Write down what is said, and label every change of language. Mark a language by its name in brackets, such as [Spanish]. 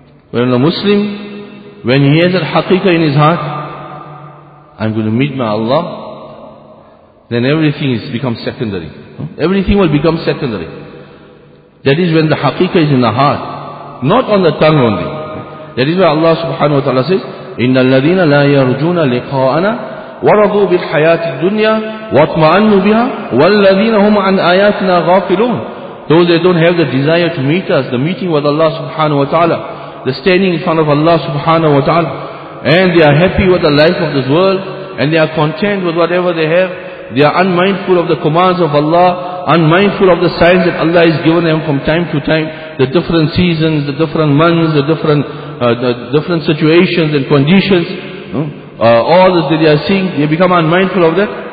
[English] When a Muslim, when he has that haqiqah in his heart, I'm going to meet my Allah, then everything is become secondary. Everything will become secondary. That is when the haqiqah is in the heart, not on the tongue only. That is why Allah subhanahu wa ta'ala says, [Arabic] إِنَّ الَّذِينَ لَا يَرْجُونَ لِقَاءَنَا وَرَضُوا بِالْحَيَاةِ الدُّنْيَا وَاطْمَأَنُّوا بِهَا وَالَّذِينَ هُمْ عَنْ آيَاتِنَا غَافِلُونَ. [English] Those that don't have the desire to meet us, the meeting with Allah subhanahu wa ta'ala, the standing in front of Allah subhanahu wa ta'ala, and they are happy with the life of this world, and they are content with whatever they have, they are unmindful of the commands of Allah, unmindful of the signs that Allah has given them from time to time, the different seasons, the different months, the different situations and conditions, all that they are seeing, they become unmindful of that.